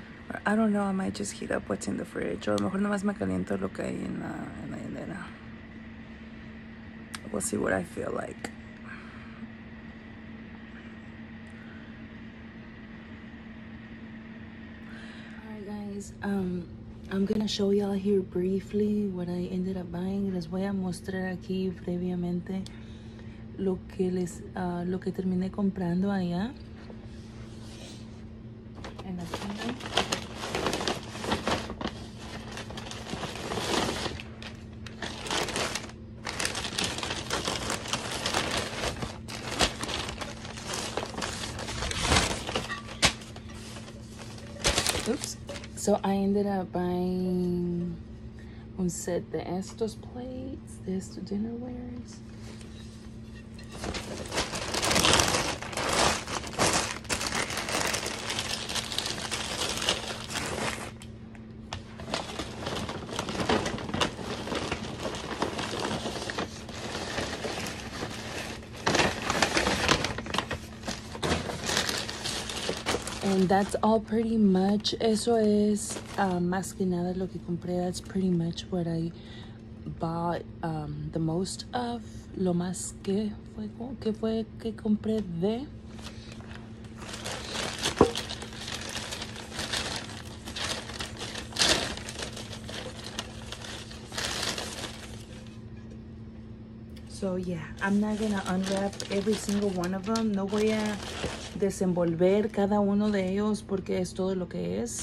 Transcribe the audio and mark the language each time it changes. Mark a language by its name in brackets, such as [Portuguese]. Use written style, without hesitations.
[English] Or, I don't know. I might just heat up what's in the fridge. [Spanish] O a lo mejor nomás me caliento lo que hay en la hielera. [English] We'll see what I feel like. Alright, guys. I'm gonna show y'all here briefly what I ended up buying. [Spanish] Les voy a mostrar aquí previamente lo que terminé comprando allá en la tienda. [English] Oops. So I ended up buying [Spanish] un set de estos [English] plates, de estos dinnerwares. That's all pretty much. [Spanish] Eso es más que nada lo que compré. [English] That's pretty much what I bought the most of. [Spanish] Lo más que compré de. [English] So yeah, I'm not gonna unwrap every single one of them. [Spanish] No voy a desenvolver cada uno de ellos porque es todo lo que es.